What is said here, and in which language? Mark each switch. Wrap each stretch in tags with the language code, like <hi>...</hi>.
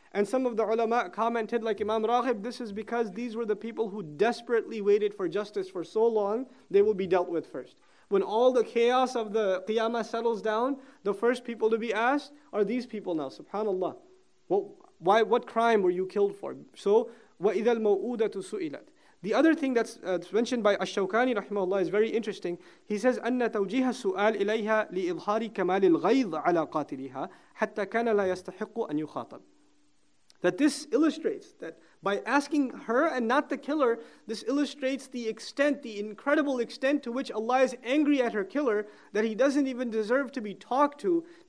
<en>And some of the ulama commented, like Imam Raghib, this is because these were the people who desperately waited for justice for so long, they will be dealt with first. When all the chaos of the Qiyamah settles down, the first people to be asked are these people now. SubhanAllah. What crime were you killed for?</en> <ar>So, وَإِذَا الْمَوْءُودَةُ سُئِلَتْ.</ar> <en>The other thing that's mentioned by Ash-Shawkani rahimahullah is very interesting. He says,</en> <ar>أَنَّ تَوْجِيهَ السُؤَالِ إِلَيْهَا لِإِظْهَارِ كَمَالِ الْغَيْضِ عَلَىٰ قَاتِلِهَا حَتَّى كَانَ لَا يَسْتَحِقُّ أَنْ يُخَاطَبْ.</ar> <en>That this illustrates that by asking her and not the killer, this illustrates the extent, the incredible extent to which Allah is angry at her killer, that he doesn't even deserve to be talked to.</en>